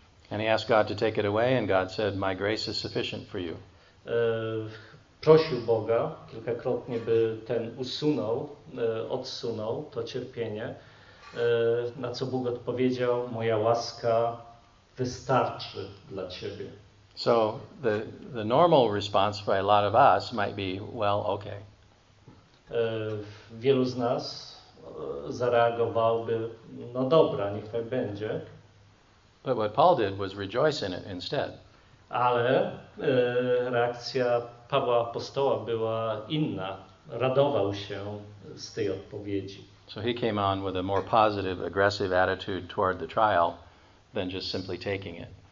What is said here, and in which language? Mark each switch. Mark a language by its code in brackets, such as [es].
[en] And he asked God to take it away, and God said, "My grace is sufficient for you." [pl] Prosił Boga kilkakrotnie, by ten odsunął to cierpienie, na co Bóg odpowiedział, moja łaska wystarczy dla ciebie. [en] So the normal response by a lot of us might be, well, okay. [pl] Wielu z nas zareagowałby, no dobra, niech tak będzie. [en] But what Paul did was rejoice in it instead. [pl] Ale reakcja Pawła Apostoła była inna. Radował się z tej odpowiedzi. [en] So he came on with a more positive, aggressive attitude toward the trial than just simply taking it.